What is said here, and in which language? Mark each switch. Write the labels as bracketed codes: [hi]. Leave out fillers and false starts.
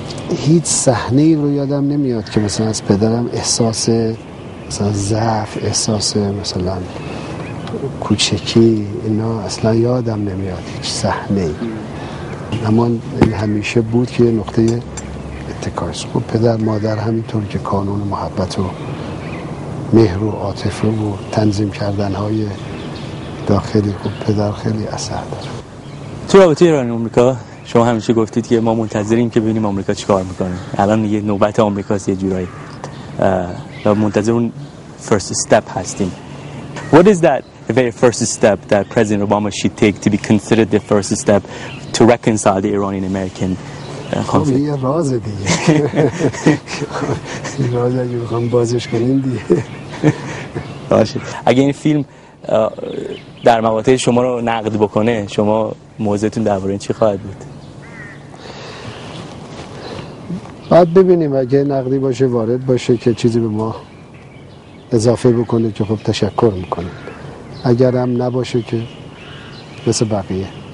[fa] هیچ صحنه ای رو یادم نمیاد که مثلا از پدرم احساس مثلا ضعف احساس مثلا کوچکی اینا اصلا یادم نمیاد هیچ صحنه ای اما این همیشه بود که نقطه اتکای است خب پدر مادر همینطور که کانون محبت و مهر و عاطفه و تنظیم کردن های داخلی خب پدر خیلی اثر داره تو رابطه ایران آمریکا شما همیشه گفتید که ما منتظریم که ببینیم آمریکا چیکار میکنه الان یه نوبت آمریکاست یه جورایی منتظر اون [en] first step [fa] هستیم. [en] What is that very first step that President Obama should take to be considered the first step to reconcile the Iranian-American conflict? [fa] یه رازه دیگه. رازه جو خم بازش کنیم دیگه. باشه. اگه این فیلم در مقاطع شما رو نقد بکنه، شما موضعتون در باره چی خواهد بود؟ بعد ببینیم اگه نقدی باشه وارد باشه که چیزی به ما اضافه بکنه که خب تشکر میکنم، اگر هم نباشه که مثل بقیه